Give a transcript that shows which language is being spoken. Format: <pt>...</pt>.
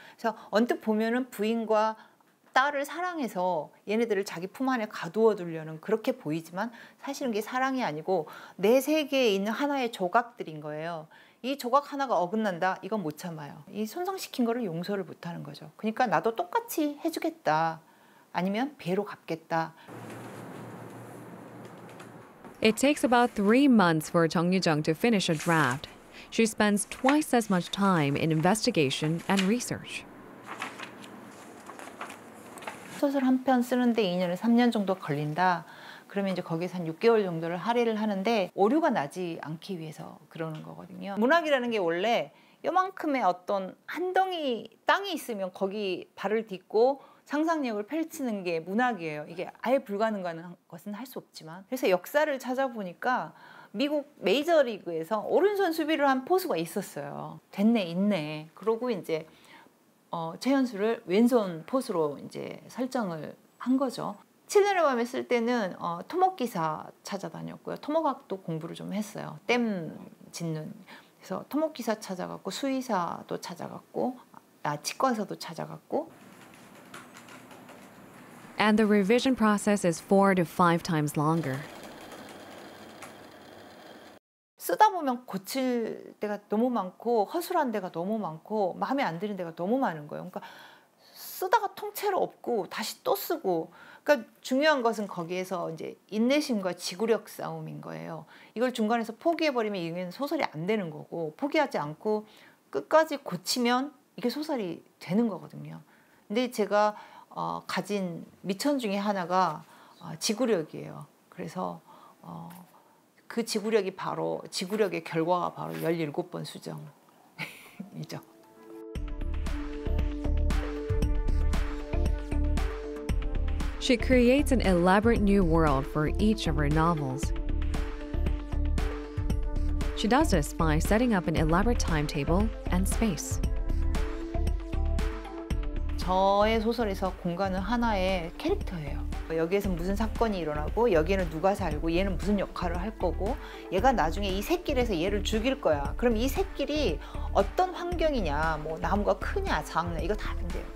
<ko>그래서 언뜻 보면은 부인과 딸을 사랑해서 얘네들을 자기 품 안에 가두어두려는 그렇게 보이지만 사실은 그게 사랑이 아니고 내 세계에 있는 하나의 조각들인 거예요. 이 조각 하나가 어긋난다? 이건 못 참아요. 이 손상시킨 거를 용서를 못하는 거죠. 그러니까 나도 똑같이 해주겠다. 아니면 배로 갚겠다.</ko> <en>It takes about 3 months for Jung Yu-jung to finish a draft. She spends twice as much time in investigation and research.</en> <ko>소설 한 편 쓰는데 2년에 3년 정도 걸린다. 그러면 이제 거기서 한 6개월 정도를 할애를 하는데 오류가 나지 않기 위해서 그러는 거거든요. 문학이라는 게 원래 이만큼의 어떤 한 덩이 땅이 있으면 거기 발을 딛고 상상력을 펼치는 게 문학이에요. 이게 아예 불가능한 것은 할 수 없지만 그래서 역사를 찾아보니까 미국 메이저리그에서 오른손 수비를 한 포수가 있었어요. 됐네 있네. 그러고 이제 최연수를 왼손 포수로 이제 설정을 한 거죠. 7년의 밤에 쓸 때는 토목기사 찾아다녔고요. 토목학도 공부를 좀 했어요. 댐 짓는. 그래서 토목기사 찾아갔고 수의사도 찾아갔고 치과사도 찾아갔고.</ko> <en>And the revision process is 4 to 5 times longer.</en> <ko>쓰다 보면 고칠 데가 너무 많고 허술한 데가 너무 많고 마음에 안 드는 데가 너무 많은 거예요. 그러니까 쓰다가 통째로 없고 다시 또 쓰고 그러니까 중요한 것은 거기에서 이제 인내심과 지구력 싸움인 거예요. 이걸 중간에서 포기해버리면 이건 소설이 안 되는 거고 포기하지 않고 끝까지 고치면 이게 소설이 되는 거거든요. 근데 제가 가진 미천 중에 하나가 지구력이에요. 그래서 그 지구력이 바로 지구력의 결과가 바로 17번 수정이죠.</ko> <en>She creates an elaborate new world for each of her novels. She does this by setting up an elaborate timetable and space.</en> <ko>저의 소설에서 공간은 하나의 캐릭터예요. 여기에서 무슨 사건이 일어나고 여기에는 누가 살고 얘는 무슨 역할을 할 거고 얘가 나중에 이 샛길에서 얘를 죽일 거야. 그럼 이 샛길이 어떤 환경이냐, 뭐 나무가 크냐 작냐 이거 다 안 돼요.</ko>